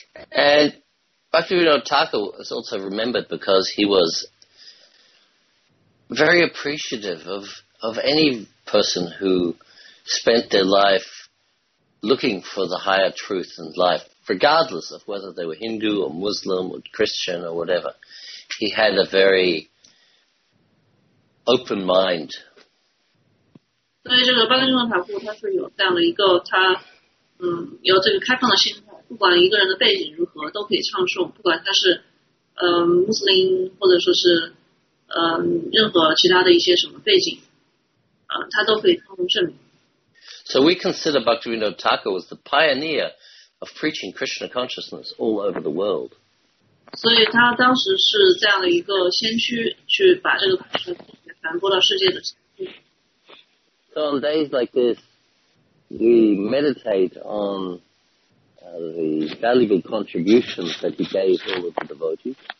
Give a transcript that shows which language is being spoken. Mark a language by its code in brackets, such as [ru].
[en] And Bhaktivinoda Thakur is also remembered because he was very appreciative of any person who spent their life looking for the higher truth in life. Regardless of whether they were Hindu or Muslim or Christian or whatever, he had a very open mind. So, this Bhaktivinoda Thakur, he has this open mind. [zh] 不管一个人的背景如何，都可以唱诵。不管他是Muslim 或者说是任何其他的一些什么背景，他都可以唱诵圣名。 [en] So we consider Bhaktivinoda Thakur as the pioneer. Of preaching Krishna consciousness all over the world. So he was the first preacher to spread this consciousness to the world. So on days like this, we meditate on the valuable contributions that he gave all of the devotees.